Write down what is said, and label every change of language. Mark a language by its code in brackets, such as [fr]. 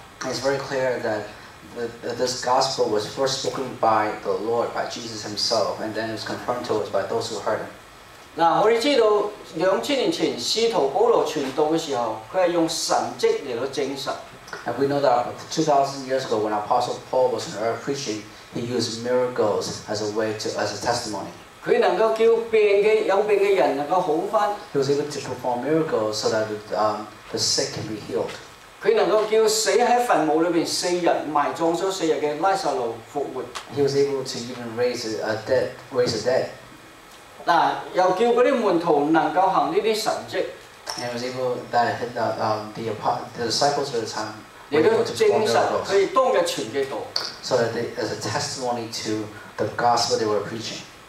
[en] It's very clear that this gospel was first spoken by the Lord, by Jesus himself, and then it was confirmed to us by those who heard him. [zh] 2000年前使徒保罗传道的时候，他是用神迹来证实。 [en] And we know that 2000 years ago, when Apostle Paul was on earth preaching, he used miracles as a way to, as a testimony. [zh] 他能够叫病的,有病的人能够好翻。 [en] He was able to perform miracles so that the sick can be healed. [zh] 他能够叫死在坟墓里面四日埋葬了四日的拉撒路复活。 [en] He was able to even raise a dead. [zh] 又叫那些门徒能够行这些神迹。 [en] And was able that the disciples of the time were able to perform miracles. [zh] 证实他们当日传的道。 [en] So that as a testimony to the gospel they were preaching.